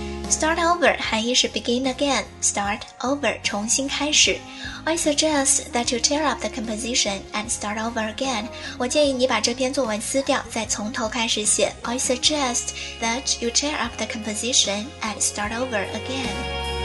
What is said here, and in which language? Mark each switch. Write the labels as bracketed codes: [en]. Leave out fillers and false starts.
[en] Start over [zh] 含义是 [en] begin again. Start over [zh] 重新开始。 [en] I suggest that you tear up the composition and start over again. [zh] 我建议你把这篇作文撕掉，再从头开始写。 [en] I suggest that you tear up the composition and start over again.